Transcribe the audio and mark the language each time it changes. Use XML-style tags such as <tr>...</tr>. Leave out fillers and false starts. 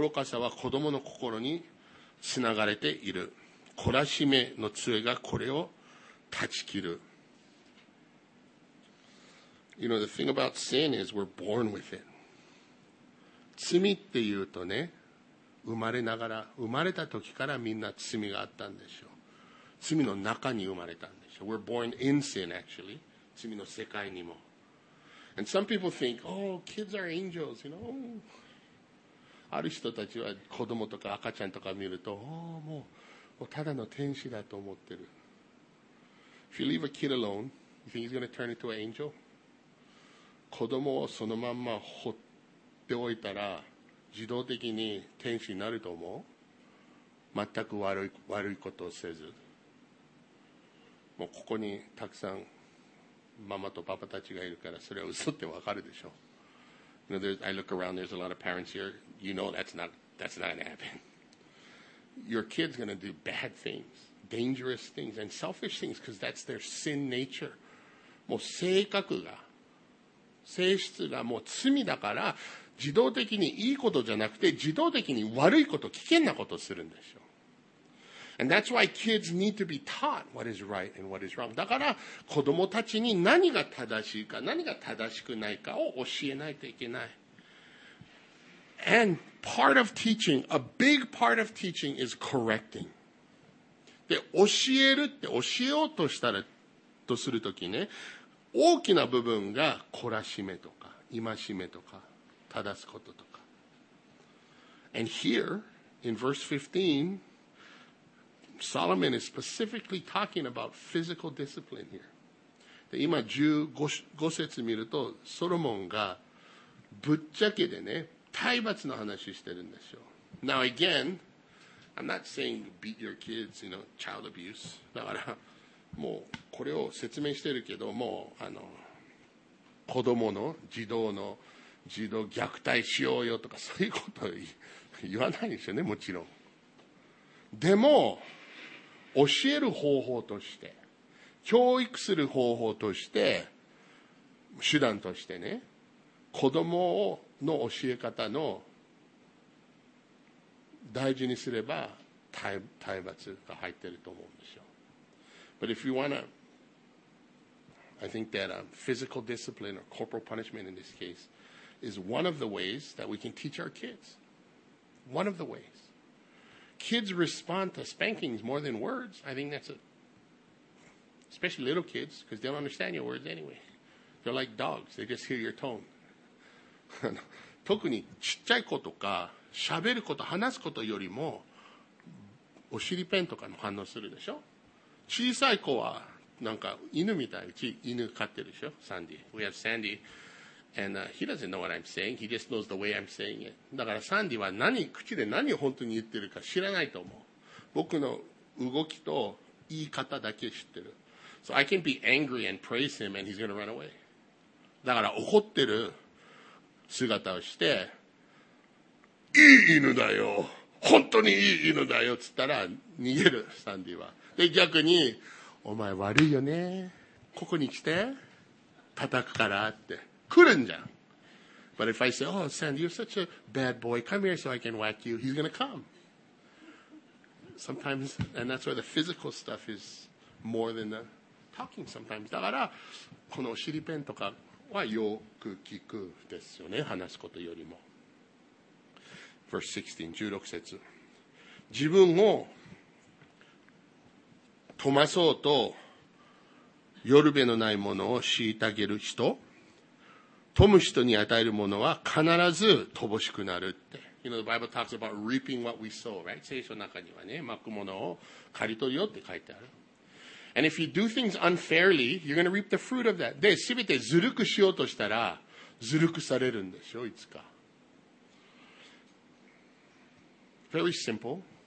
<ja>愚かさは子供の心につながれている。懲らしめの杖がこれを断ち切る。</ja> <en>You know, the thing about sin is we're born with it.</en> <ja>罪っていうとね、生まれた時からみんな罪があったんでしょう。罪の中に生まれたんでしょう。</ja> <en>We're born in sin, actually.</en> <ja>罪の世界にも。</ja> <en>And some people think, oh, kids are angels, you know.</en> <ja>ある人たちは子供とか赤ちゃんとか見ると、oh, もうただの天使だと思ってる。</ja> <en>If you leave a kid alone, you think he's going to turn into an angel?</en> <ja>子供をそのまんま放っておいたら、自動的に天使になると思う？全く悪いことをせず。もうここにたくさん、ママとパパたちがいるからそれは嘘ってわかるでしょ。</ja> <en>You know, I look around, there's a lot of parents here. You know that's not going to happen. Your kid's going to do bad things, dangerous things, and selfish things because that's their sin nature.</en> <ja>もう性質がもう罪だから自動的にいいことじゃなくて自動的に悪いこと、危険なことするんでしょ。</ja> <en>And that's why kids need to be taught what is right and what is wrong.</en> <ja>だから子供たちに何が正しいか、何が正しくないかを教えないといけない。</ja> <en>And part of teaching, a big part of teaching is correcting.</en> <ja>で、教えるって教えようとしたら、とするときね、大きな部分が懲らしめとか、戒めとか、正すこととか。</ja> <en>And here, in verse 15,Solomon is specifically talking about physical discipline here.</en> <ja>で今15節見るとソロモンがぶっちゃけでね、体罰の話してるんですよ。</ja> <en>Now again, I'm not saying beat your kids, you know, child abuse.</en> <ja>だからもうこれを説明してるけど、もう子供の児童の児童虐待しようよとかそういうこと言わないですよね、もちろん。でも教える方法として、教育する方法として、手段としてね、子供の教え方の大事にすれば、体罰が入ってると思うんですよ。</ja> <en>But if you wanna, I think that physical discipline or corporal punishment in this case is one of the ways that we can teach our kids. One of the ways. Kids respond to spankings more than words. I think that's a... Especially little kids, because they don't understand your words anyway. They're like dogs. They just hear your tone.</en> <ja>特にちっちゃい子とか、喋ること、話すことよりも、お尻ペンとかの反応するでしょ？小さい子は、なんか犬みたい。うち犬飼ってるでしょ？</ja> <en>サンディ。We have Sandy. And he doesn't know what I'm saying. He just knows the way I'm saying it.</en> <ja>だからサンディは何、口で何を本当に言ってるか知らないと思う。僕の動きと言い方だけ知ってる。</ja> <en>So I can be angry and praise him and he's going to run away.</en> <ja>だから怒ってる姿をして、いい犬だよ。本当にいいのだよっつったら逃げるサンディは。で逆にお前悪いよね、ここに来て叩くからって来るんじゃん。</ja> <en>But if I say, oh Sandy, you're such a bad boy, come here so I can whack you, he's gonna come. Sometimes, and that's where the physical stuff is more than the talking sometimes.</en> <ja>だからこのお尻ペンとかはよく聞くですよね、話すことよりも。</ja> <en>Verse 16,</en> <ja>16節、自分を飛ばそうとよるべのないものを敷いてあげる人、富む人に与えるものは必ず乏しくなるって。</ja> <en>You know, the Bible talks about reaping what we sow, right?</en> <ja>聖書の中にはね、まくものを刈り取るよって書いてある。</ja> <en>And if you do things unfairly, you're going to reap the fruit of that.</en> <ja>で、すべてずるくしようとしたら、ずるくされるんでしょ、いつか。</ja> <en>Very simple.</en>